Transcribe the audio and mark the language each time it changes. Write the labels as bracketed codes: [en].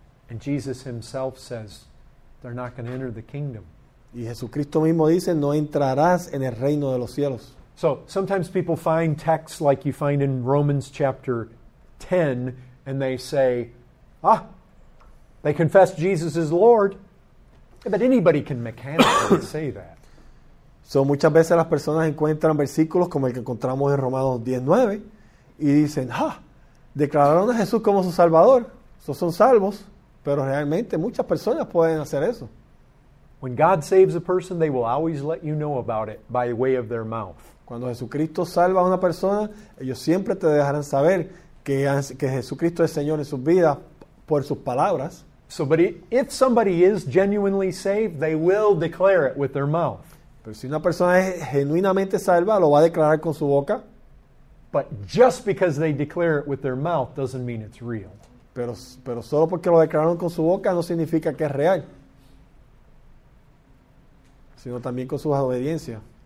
[en] And Jesus himself says, they're not going to enter the kingdom. [es] Y Jesucristo mismo dice, no entrarás en el reino de los cielos. [en] So, sometimes people find texts like you find in Romans chapter 10, and they say, ah, they confess Jesus is Lord. But anybody can mechanically say that. [es] So, muchas veces las personas encuentran versículos como el que encontramos en Romanos 10:9, y dicen, ah, declararon a Jesús como su Salvador. Estos son salvos. Pero realmente muchas personas pueden hacer eso. [en] When God saves a person, they will always let you know about it by way of their mouth. [es] Cuando Jesucristo salva a una persona, ellos siempre te dejarán saber que Jesucristo es Señor en sus vidas por sus palabras. [en] So, but if somebody is genuinely saved, they will declare it with their mouth. [es] Pero si una persona es genuinamente salva, lo va a declarar con su boca. [en] But just because they declare it with their mouth doesn't mean it's real. [es] Pero solo porque lo declararon con su boca no significa que es real, sino también con su obediencia.